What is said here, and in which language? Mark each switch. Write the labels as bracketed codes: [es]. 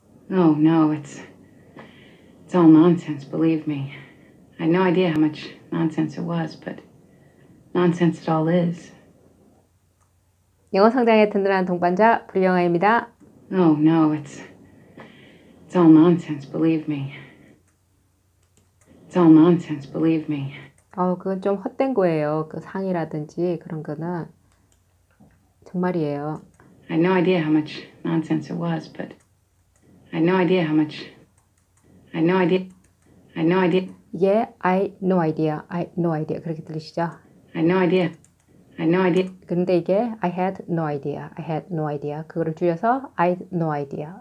[en] Oh, no, it's all nonsense, believe me. I had no idea how much nonsense it was, but nonsense it all is. [ko] 영어 성장에 든든한 동반자 보리영어입니다. [en] Oh, no, it's all nonsense, believe me. It's all nonsense, believe me. [ko] 그건 좀 헛된 거예요. 그 상이라든지 그런 거는 정말이에요. [en] I had no idea how much nonsense it was, but I had no idea how much. I had no idea. I had no idea. Yeah, I had no idea. I had no idea. [ko] 그렇게 들리시죠? [en] I had no idea. I had no idea. [ko] 근데 이게 [en] I had no idea. I had no idea. [ko] 그거를 줄여서 [en] I had no idea.